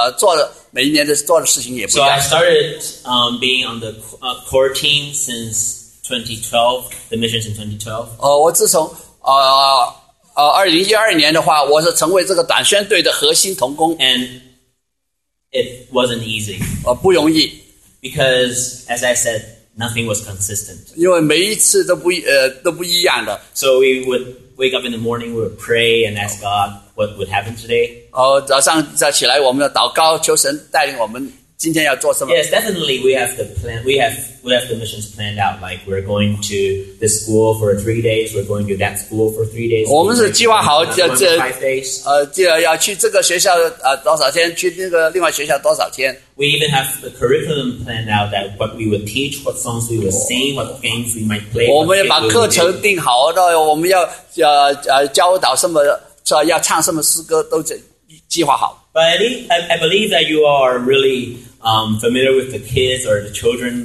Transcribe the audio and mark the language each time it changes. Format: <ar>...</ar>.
<zh>就算是我们去同样的学校，我们做的每一年的做的事情也不一样。</zh> <en>So I started being on the core team since 2012, the missions in 2012.</en> <zh>我自从2012年的话，我是成为这个短宣队的核心同工。</zh> <en>And it wasn't easy.</en> <zh>不容易。</zh> <en>Because, as I said, nothing was consistent.</en> <zh>因为每一次都不一样的。</zh> <en>So we would wake up in the morning, we would pray and ask God what would happen today.</en> <zh>早上起来我们要祷告，求神带领我们。今天要做什么?</zh> <en>Yes, definitely we have the plan. We have the missions planned out. Like we're going to this school for 3 days. We're going to that school for 3 days.</en> <zh>我们是计划好这要去这个学校多少天，去那个另外学校多少天。</zh> <en>We even have the curriculum planned out that what we would teach, what songs we would sing, what games we might play.</en> <zh>我们也把课程定好，那我们要教导什么，要唱什么诗歌都计划好。</zh> <en>But I believe that you are really familiar with the kids or the children.</en>